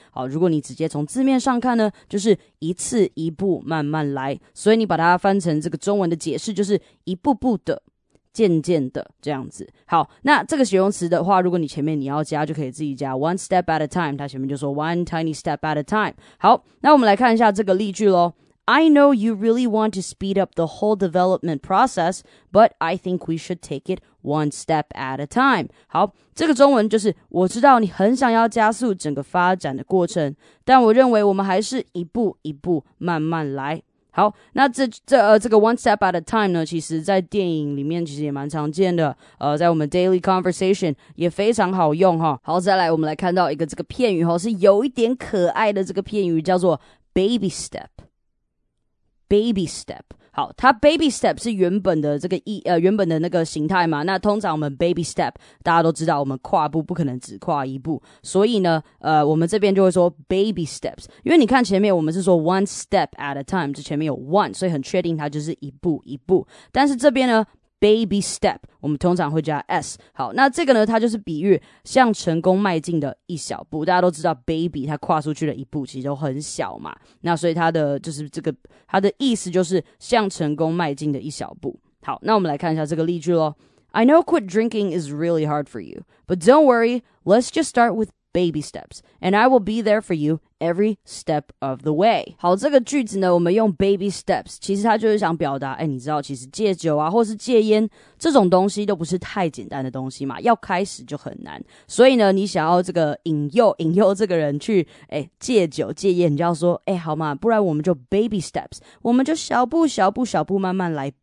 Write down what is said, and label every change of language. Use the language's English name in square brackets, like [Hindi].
[Chinese] 好，如果你直接从字面上看呢，就是一次一步慢慢来，所以你把它翻成这个中文的解释就是一步步的，渐渐的，这样子。好，那这个形容词的话，如果你前面你要加，就可以自己加 one step at a time， 它前面就说 [English] one tiny step at a time。 [Chinese] 好，那我们来看一下这个例句咯。 [English] I know you really want to speed up the whole development process， but I think we should take itone step at a time。 [Chinese] 好，这个中文就是我知道你很想要加速整个发展的过程，但我认为我们还是一步一步慢慢来。好，那这个 one step at a time 呢，其实在电影里面其实也蛮常见的，在我们 daily conversation 也非常好用哈。好，再来我们来看到一个这个片语哈，是有一点可爱的这个片语，叫做 baby step。 baby step，好，它 baby step 是原本的这个原本的那个形态嘛。那通常我们 baby step 大家都知道，我们跨步不可能只跨一步，所以呢我们这边就会说 baby steps。因为你看前面我们是说 one step at a time， 这前面有 one， 所以很确定它就是一步一步，但是这边呢baby step 我们通常会加 s。好，那这个呢它就是比喻向成功迈进的一小步，大家都知道 baby 它跨出去的一步其实都很小嘛，那所以它的就是这个它的意思就是向成功迈进的一小步。好，那我们来看一下这个例句咯。 [English] I know quit drinking is really hard for you， but don't worry， let's just start withBaby steps, and I will be there for you every step of the way. [Chinese] 好，这个句子呢，我们用 baby steps， 其实它就是想表达，哎，你知道，其实戒酒啊，或是戒烟这种东西都不是太简单的东西嘛，要开始就很难。所以呢，你想要这个引诱这个人去，哎，戒酒戒烟，你就要说，哎，好嘛，不然我们就 baby steps， 我们就小步小步小步慢慢来。